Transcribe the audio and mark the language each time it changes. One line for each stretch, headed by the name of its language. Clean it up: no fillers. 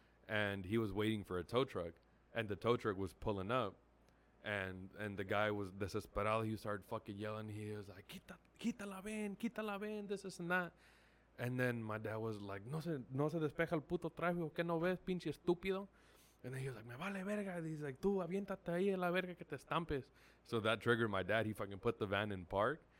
English: And he was waiting for a tow truck and the tow truck was pulling up. And the guy was desesperado. He started fucking yelling. He was like,
Spanish: quita la van,
English: this, this and that. And then my dad was like,
Spanish: no se despeja el puto tráfico, que no ves, pinche estúpido.
English: And then he was like,
Spanish: me vale verga.
English: And he's like,
Spanish: tú, aviéntate ahí en la verga que te estampes.
English: So that triggered my dad. He fucking put the van in park.